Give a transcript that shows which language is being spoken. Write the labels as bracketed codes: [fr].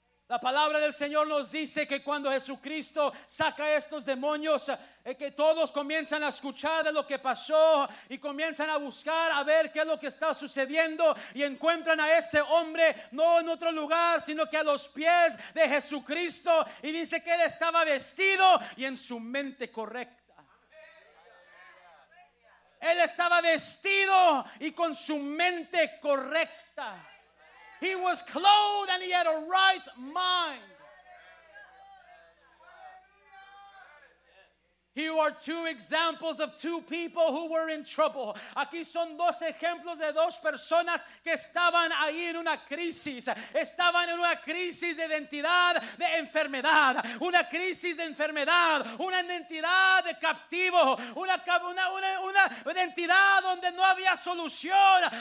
[es] La palabra del Señor nos dice que cuando Jesucristo saca estos demonios, que todos comienzan a escuchar de lo que pasó y comienzan a buscar a ver qué es lo que está sucediendo, y encuentran a ese hombre no en otro lugar sino que a los pies de Jesucristo, y dice que él estaba vestido y en su mente correcta. Él estaba vestido y con su mente correcta. [en] He was clothed and he had a right mind. Here are two examples of two people who were in trouble. [es] Aquí son dos ejemplos de dos personas que estaban ahí en una crisis. Estaban en una crisis de identidad, de enfermedad. Una crisis de enfermedad. Una identidad de captivo. Una identidad donde no había solución.